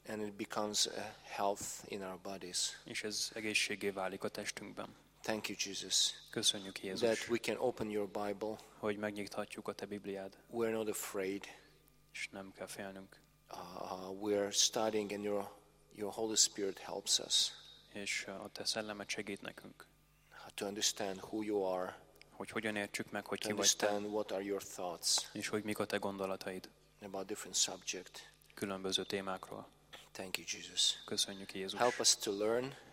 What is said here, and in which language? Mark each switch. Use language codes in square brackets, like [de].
[en] And it becomes a health in our bodies. [hu] És ez egészségé válik a testünkben. [en] Thank you, Jesus. [hu] Köszönjük, Jézus. [en] That we can open your Bible. [hu] Hogy megnyithatjuk a te Bibliád. [en] We're not afraid. [hu] És nem kell félnünk. [en] We're studying and your Holy Spirit helps us. [hu] És a te szellemed segít nekünk. [en] To understand who you are. [hu] Hogy hogyan értsük meg, hogy ki vagy te. [en] Understand what are your thoughts. [hu] És hogy mik a te gondolataid. [en] About different subject. [hu] Különböző témákról. [en] Thank you, Jesus. [hu] Köszönjük, Jézus. [en] Help us to learn.